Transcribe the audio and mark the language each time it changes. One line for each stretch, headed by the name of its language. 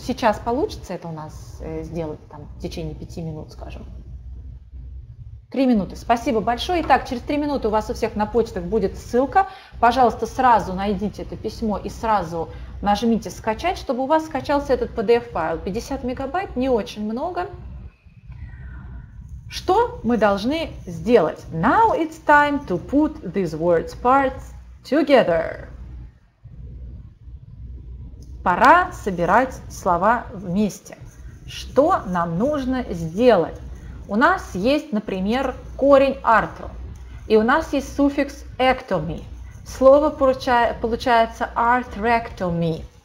Russian: Сейчас получится это у нас сделать там, в течение 5 минут, скажем. 3 минуты. Спасибо большое. Итак, через 3 минуты у вас у всех на почтах будет ссылка. Пожалуйста, сразу найдите это письмо и сразу нажмите «Скачать», чтобы у вас скачался этот PDF-файл. 50 мегабайт, не очень много. Что мы должны сделать?
English: Now it's time to put these words parts together.
Russian: Пора собирать слова вместе. Что нам нужно сделать? У нас есть, например, корень artro. И у нас есть суффикс ectomy. Слово получается arthrectomy.